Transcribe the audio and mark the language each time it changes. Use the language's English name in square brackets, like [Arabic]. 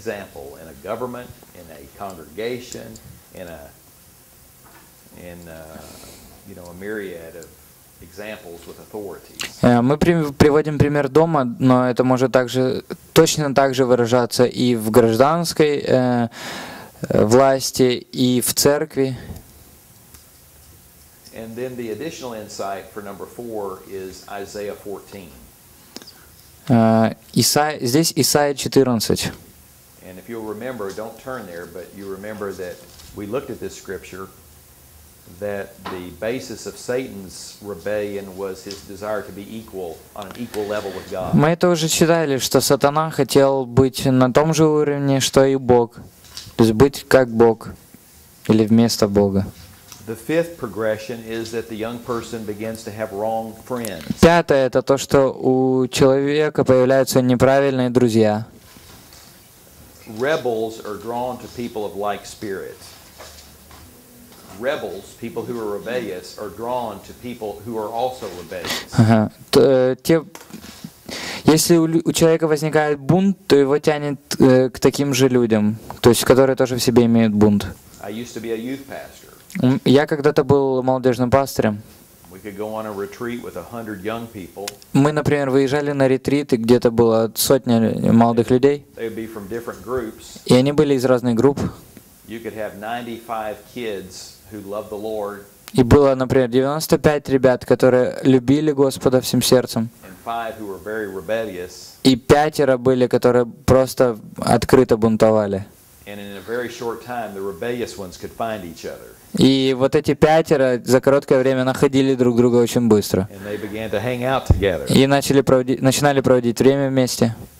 [Russian] Мы приводим пример дома, но это может также точно так же выражаться и в гражданской власти, и в церкви. [English] And then the additional insight for number four is Isaiah 14. [Russian] Здесь Исаия 14. [English] And if you'll remember, don't turn there, but you remember that we looked at this scripture, that the basis of Satan's rebellion was his desire to be equal, on an equal level with God. [Russian] Мы это уже читали, что сатана хотел быть на том же уровне, что и Бог. То есть быть как Бог, или вместо Бога. [English] The fifth progression is that the young person begins to have wrong friends. [Russian] Пятое — это то, что у человека появляются неправильные друзья. [English] Rebels are drawn to people of like spirit. Rebels, people who are rebellious, are drawn to people who are also rebellious. [Russian] Если у человека возникает бунт, то его тянет к таким же людям, то есть которые тоже в себе имеют бунт. [English] I used to be a youth pastor. [Russian] Я когда-то был молодежным пастырем. [English] We could go on a retreat with 100 young people. [Russian] Мы, например, выезжали на ретрит, и где-то было сотня молодых людей. [English] They would be from different groups. [Russian] И они были из разных групп. [English] You could have 95 kids who love the Lord. [Russian] И было, например, 95 ребят, которые любили Господа всем сердцем. [English] And 5 who were very rebellious. [Russian] И пятеро были, которые просто открыто бунтовали. [English] And in a very short time, the rebellious ones could find each other. [Russian] И вот эти пятеро за короткое время находили друг друга очень быстро. И начинали проводить время вместе.